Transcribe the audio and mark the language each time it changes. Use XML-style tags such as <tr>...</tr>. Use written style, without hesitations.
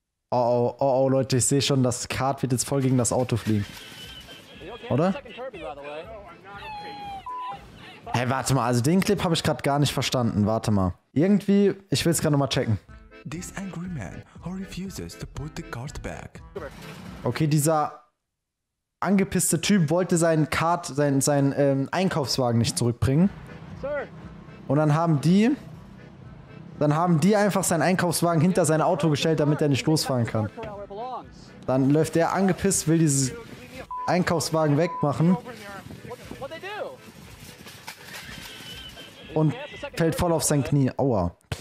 <de>Oh, Leute, ich sehe schon, das Kart wird jetzt voll gegen das Auto fliegen. Oder? Hey, warte mal, also den Clip habe ich gerade gar nicht verstanden. Warte mal. Irgendwie, ich will es gerade nochmal checken.</de> <en>This angry man who refuses to put the cart back.</en> <de>Okay, dieser angepisste Typ wollte seinen Cart, seinen Einkaufswagen nicht zurückbringen.</de> <en>Sir.</en> <de>Und dann haben die einfach seinen Einkaufswagen hinter sein Auto gestellt, damit er nicht losfahren kann. Dann läuft der angepisst, will dieses Einkaufswagen wegmachen und fällt voll auf sein Knie. Aua.</de>